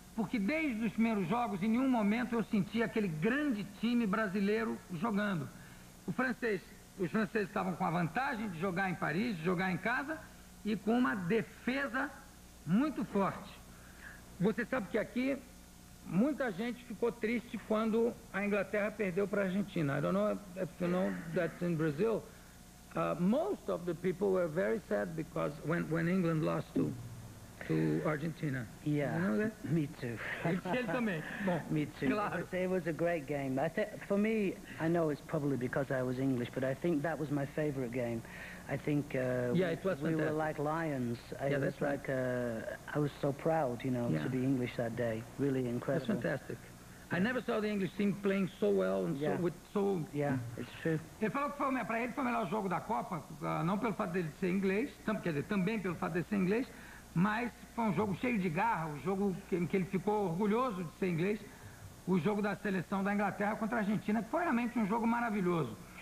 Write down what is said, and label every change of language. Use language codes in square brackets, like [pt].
[pt] Porque desde os primeiros jogos, em nenhum momento eu senti aquele grande time brasileiro jogando. Os franceses estavam com a vantagem de jogar em Paris, de jogar em casa, e com uma defesa muito forte. Você sabe que aqui... Muita gente ficou triste quando a Inglaterra perdeu para a Argentina. [en] I don't know if you know that in Brazil, most of the people were very sad because when England lost to Argentina. Yeah. You know that? Me too. [pt] Ele também. Bom, [en] me too. [pt] Claro. [en] It was a great game. I think for me, I know it's probably because I was English, but I think that was my favorite game. I think we were like lions. That's right. I was so proud, you know, to be English that day. Really incredible. That's fantastic. Yeah. I never saw the English team playing so well and It's true. [pt] Ele falou que para ele foi o melhor jogo da Copa, não pelo fato dele ser inglês, quer dizer, também pelo fato dele ser inglês, mas foi um jogo cheio de garra, um jogo em que ele ficou orgulhoso de ser inglês, o jogo da seleção da Inglaterra contra a Argentina, que foi realmente um jogo maravilhoso.